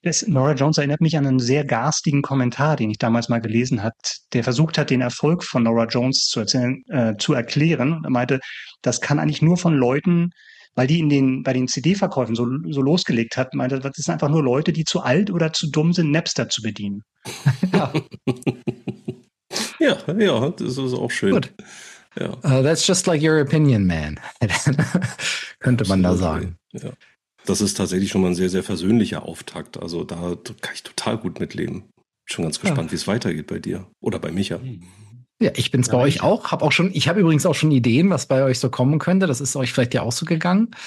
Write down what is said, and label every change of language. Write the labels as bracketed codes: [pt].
[de] Norah Jones erinnert mich an einen sehr garstigen Kommentar, den ich damals mal gelesen habe, der versucht hat, den Erfolg von Norah Jones zu erklären. Er meinte, das kann eigentlich nur von Leuten, weil die bei den CD-Verkäufen so losgelegt hat, meinte, das sind einfach nur Leute, die zu alt oder zu dumm sind, Napster zu bedienen. Ja, ja, ja, das ist auch schön. Gut. Ja. [en] That's just like your opinion, man. [de] Könnte man absolut da sagen. Ja. Das ist tatsächlich schon mal ein sehr, sehr versöhnlicher Auftakt. Also da kann ich total gut mitleben. Schon ganz gespannt, wie es weitergeht bei dir oder bei Micha. Ja, ich bin es bei euch auch. Ich habe übrigens auch schon Ideen, was bei euch so kommen könnte. Das ist euch vielleicht ja auch so gegangen.